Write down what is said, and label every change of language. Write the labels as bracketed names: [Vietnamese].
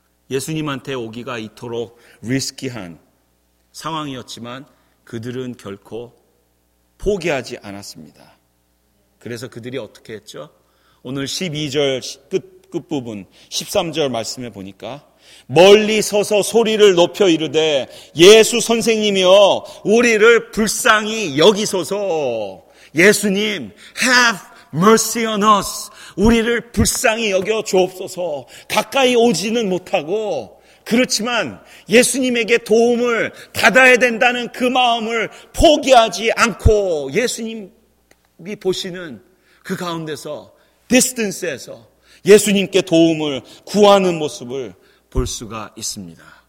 [Korean] 예수님한테 오기가 이토록 리스키한 상황이었지만 그들은 결코 포기하지 않았습니다. 그래서 그들이 어떻게 했죠? 오늘 12절 끝부분 13절 말씀해 보니까 멀리 서서 소리를 높여 이르되 예수 선생님이여 우리를 불쌍히 여기소서. [English] 예수님, have mercy on us. [Korean] 우리를 불쌍히 여겨 주옵소서. 가까이 오지는 못하고 그렇지만 예수님에게 도움을 받아야 된다는 그 마음을 포기하지 않고 예수님이 보시는 그 가운데서, 디스턴스에서 예수님께 도움을 구하는 모습을 볼 수가 있습니다.